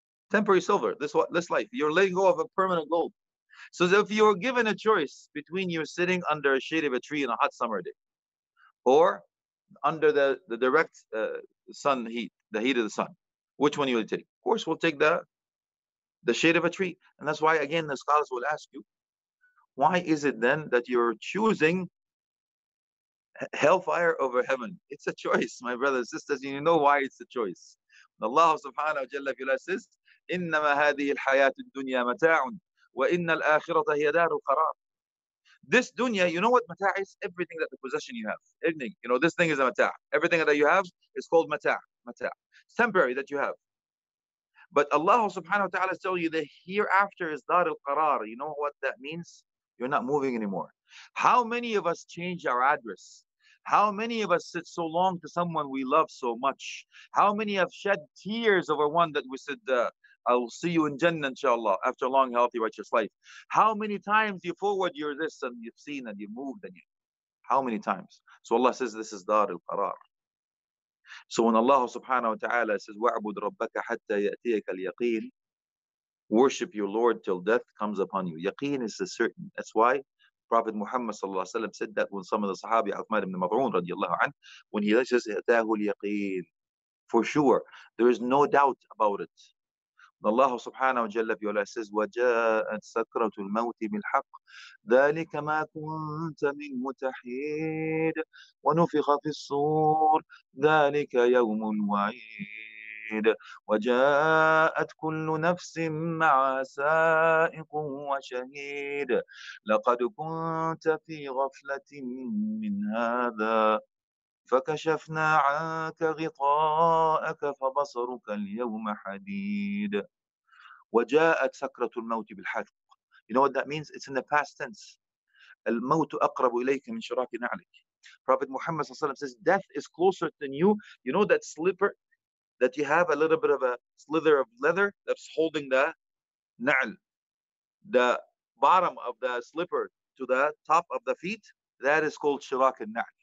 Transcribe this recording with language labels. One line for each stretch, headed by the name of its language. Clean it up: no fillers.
English: Temporary silver, this life, you're letting go of a permanent gold. So if you're given a choice between you sitting under a shade of a tree in a hot summer day, or under the direct sun heat, the heat of the sun, which one you will take? Of course, we'll take the shade of a tree. And that's why, again, the scholars will ask you, why is it then that you're choosing hellfire over heaven? It's a choice, my brothers and sisters. You know why it's a choice.
Arabic: Allah subhanahu wa jalla
English: says,
Arabic: إِنَّمَا هَذِهِ الْحَيَاةُ الدُّنْيَا مَتَاعٌ وَإِنَّ الْآخِرَةَ هِيَ دَارُ الْقَرَارِ.
English: This dunya, you know what mata' is? Everything that the possession you have. Everything, you know, this thing is a mata'. Everything that you have is called mata'. Mata'. It's temporary that you have. But Allah subhanahu wa ta'ala is telling you that hereafter is dar al-qarar. You know what that means? You're not moving anymore. How many of us change our address? How many of us sit so long to someone we love so much? How many have shed tears over one that we said, I will see you in Jannah, inshallah, after a long, healthy, righteous life. How many times you forward your this and you've seen and you moved and you... How many times? So Allah says, this is dar al-qarar. So when Allah subhanahu wa ta'ala says,
Arabic: wa'bud rabbaka hatta ya'tiyaka al-yaqeen,
English: worship your Lord till death comes upon you. Yaqeen is a certain. That's why Prophet Muhammad sallallahu alayhi wa sallam said that when some of the sahabi, Uthman ibn Mad'un radiyallahu anhu, when he says,
Arabic: ya'tahu al-yaqeen,
English: for sure, there is no doubt about it. Allah subhanahu wa jalla fi ala says,
Arabic: وَجَاءَتْ سَكْرَةُ الْمَوْتِ بِالْحَقِّ ذَلِكَ مَا كُنْتَ مِنْ مُتَحِيدٍ وَنُفِخَ فِي الصُّورِ ذَلِكَ يَوْمٌ وَعِيدٌ وَجَاءَتْ كُلُّ نَفْسٍ مَعَ سَائِقٌ وَشَهِيدٌ لَقَدْ كُنْتَ فِي غَفْلَةٍ مِّنْ هَذَا فَكَشَفْنَا عَنْكَ غِطَاءَكَ فَبَصَرُكَ الْيَوْمَ حَدِيدٌ وَجَاءَتْ سَكْرَةُ الْمَوْتِ بِالْحَقِّ.
English: You know what that means? It's in the past tense.
Arabic: الموت أقرب إليك من شراك نعلك.
English: Prophet Muhammad sallallahu alaihi wasallam says, death is closer than you. You know that slipper that you have, a little bit of a slither of leather that's holding the na'l, the bottom of the slipper to the top of the feet, that is called shirak al na'l.